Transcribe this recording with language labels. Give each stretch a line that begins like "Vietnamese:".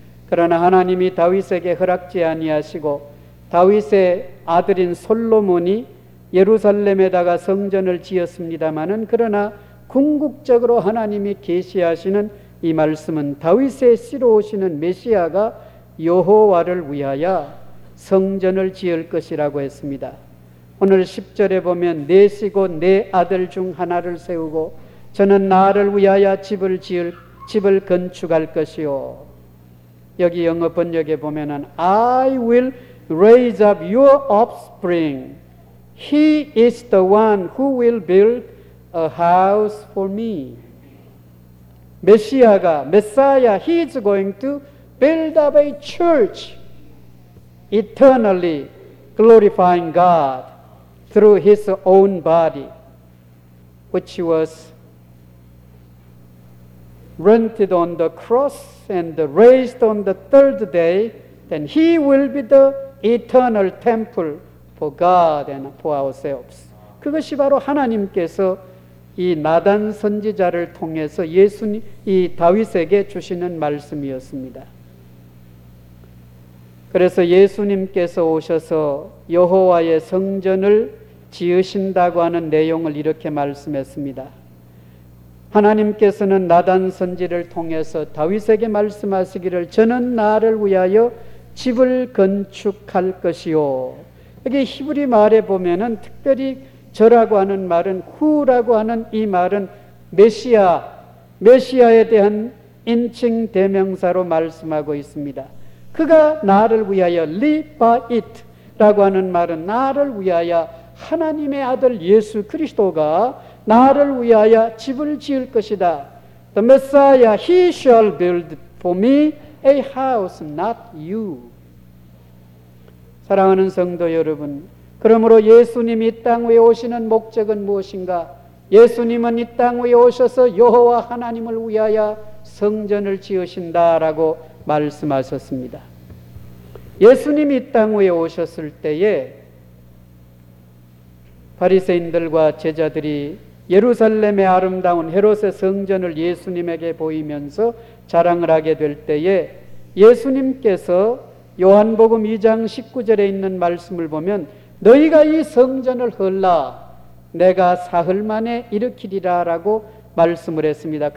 Korean: 그러나 하나님이 다윗에게 허락지 아니하시고 다윗의 아들인 솔로몬이 예루살렘에다가 성전을 지었습니다마는 그러나 궁극적으로 하나님이 계시하시는 이 말씀은 다윗의 씨로 오시는 메시아가 여호와를 위하여 성전을 지을 것이라고 했습니다. 오늘 10절에 보면 내 씨고 내 아들 중 하나를 세우고 저는 나를 위하여 집을 건축할 것이요. 여기 영어 번역에 보면은
English: I will raise up your offspring. He is the one who will build a house for me.
Korean: 메시아가, 메사야,
English: He is going to build up a church eternally glorifying God through His own body, which was rented on the cross and raised on the third day, then He will be the eternal temple for God and for ourselves.
Korean: 그것이 바로 하나님께서 이 나단 선지자를 통해서 예수님, 이 다윗에게 주시는 말씀이었습니다. 그래서 예수님께서 오셔서 여호와의 성전을 지으신다고 하는 내용을 이렇게 말씀했습니다. 하나님께서는 나단 선지를 통해서 다윗에게 말씀하시기를 저는 나를 위하여 집을 건축할 것이요. 여기 히브리 말에 보면은 특별히 저라고 하는 말은 후라고 하는 이 말은 메시아에 대한 인칭 대명사로 말씀하고 있습니다. 그가 나를 위하여
English: live by it
Korean: 라고 하는 말은 나를 위하여 하나님의 아들 예수 그리스도가 나를 위하여 집을 지을 것이다.
English: The Messiah, he shall build for me a house, not you.
Korean: 사랑하는 성도 여러분, 그러므로 예수님이 이 땅 위에 오시는 목적은 무엇인가? 예수님은 이 땅 위에 오셔서 여호와 하나님을 위하여 성전을 지으신다라고 말씀하셨습니다. 예수님이 이 땅 위에 오셨을 때에 바리새인들과 제자들이 예루살렘의 아름다운 헤롯의 성전을 예수님에게 보이면서 자랑을 하게 될 때에 예수님께서 요한복음 2장 19절에 있는 말씀을 보면 너희가 이 성전을 헐라 내가 사흘 만에 일으키리라 라고 말씀을 했습니다.